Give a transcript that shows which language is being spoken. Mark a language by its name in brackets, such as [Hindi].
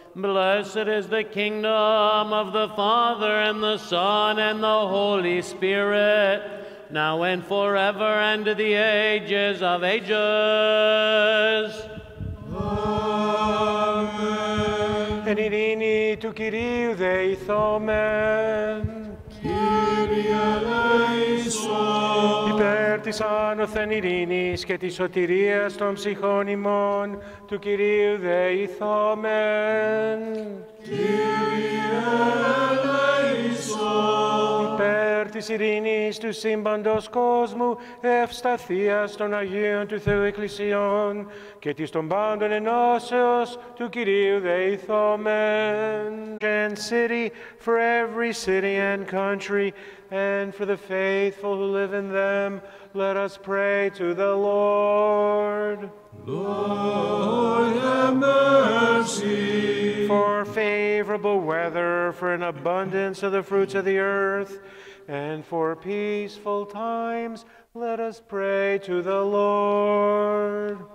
[English] Blessed is the kingdom of the Father and the Son and the Holy Spirit, now and forever and to the ages of ages. Amen. [Greek] Εν ειρήνη του Κυρίου δεηθώμεν. Κύριε ελέησον. Υπέρ της άνωθεν ειρήνης και της σωτηρίας των ψυχών ημών, του Κυρίου δεηθώμεν. Κύριε ελέησον. Υπέρ της ειρήνης του σύμπαντος κόσμου, ευσταθίας των Αγίων του Θεού Εκκλησιών και της των πάντων ενώσεως, του Κυρίου δεηθώμεν. [English] And city, for every city and country, and for the faithful who live in them, let us pray to the Lord. Lord, have mercy. For favorable weather, for an abundance of the fruits of the earth, and for peaceful times, let us pray to the Lord.